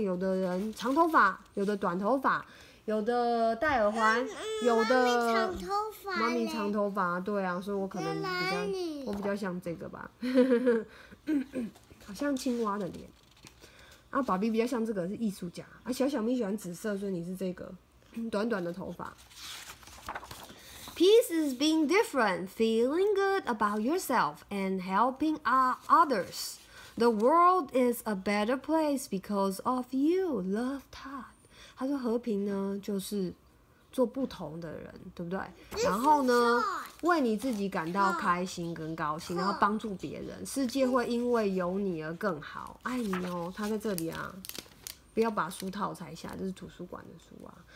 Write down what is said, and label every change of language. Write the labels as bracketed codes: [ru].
[zh] 有的人长头发，有的短头发，有的戴耳环，有的妈咪长头发。妈咪长头发，对啊，所以我可能比较像这个吧，好像青蛙的脸。啊，爸比比较像这个是艺术家。啊，小小咪喜欢紫色，所以你是这个短短的头发。 [en] Peace is being different, feeling good about yourself and helping others. The world is a better place because of you, love Todd. [zh] 他说和平呢，就是做不同的人，对不对？然后呢，为你自己感到开心跟高兴，然后帮助别人，世界会因为有你而更好。爱你哦，他在这里啊。不要把书套拆下，这是图书馆的书啊。